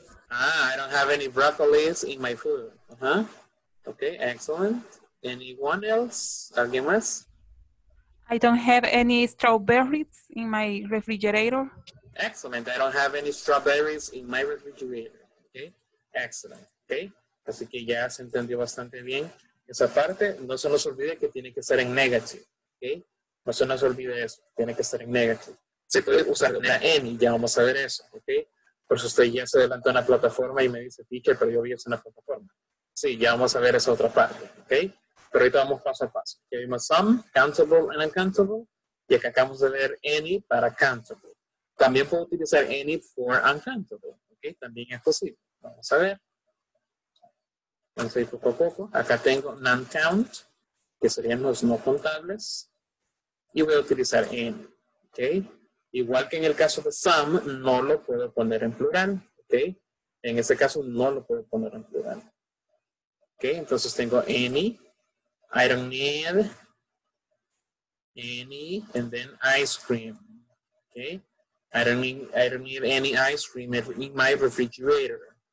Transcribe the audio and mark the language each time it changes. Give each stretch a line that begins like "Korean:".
English: Ah, I don't have any broccoli in my food. Uh-huh. Okay, excellent. Anyone else?
Spanish: ¿Alguien más?
English: I don't have any strawberries in my refrigerator. Excellent. I don't have any strawberries in my refrigerator. Okay. Excellent. Okay.
Spanish: Así que ya se entendió bastante bien esa parte. No se nos olvide que tiene que ser en negative. Okay. No se nos olvide eso. Tiene que estar en negative. Se puede usar la any. Ya vamos a ver eso. Okay. Por eso usted ya se adelantó en la plataforma y me dice, teacher, pero yo vi eso en la plataforma. Sí, ya vamos a ver esa otra parte. Okay. Pero ahorita vamos paso a paso. Ya vimos some, countable and uncountable. Y acá acabamos de leer any para countable. También puedo utilizar any for uncountable. ¿Okay? También es posible. Vamos a ver. Vamos a ir poco a poco. Acá tengo non count, que serían los no contables. Y voy a utilizar any. Okay. Igual que en el caso de some, no lo puedo poner en plural. Okay. En este caso, no lo puedo poner en plural. Okay. Entonces tengo any.
English: I don't need any, and then ice cream. Okay. I don't need any ice cream in my refrigerator.